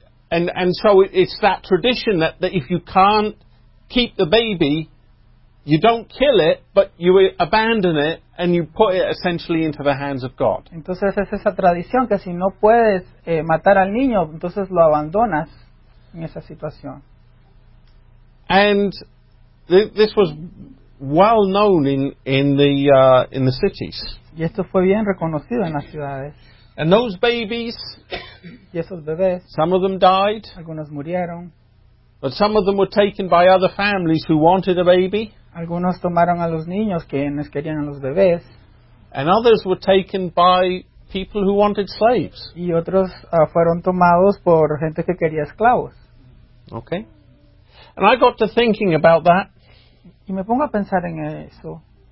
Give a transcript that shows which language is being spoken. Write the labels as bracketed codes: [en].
[en] So it's that tradition that if you can't keep the baby, you don't kill it, but you abandon it and you put it essentially into the hands of God. [es] Entonces es esa tradición que si no puedes matar al niño, entonces lo abandonas en esa situación. [en] And this was well known in the cities. [es] Y esto fue bien reconocido en las ciudades. [en] And those babies, [es] y esos bebés, [en] some of them died. [es] Algunos murieron. [en] But some of them were taken by other families who wanted a baby. [es] Algunos tomaron a los niños quienes querían a los bebés. [en] And others were taken by people who wanted slaves. [es] Y otros fueron tomados por gente que quería esclavos. [en] Okay. And I got to thinking about that. [es] y me pongo a pensar en eso.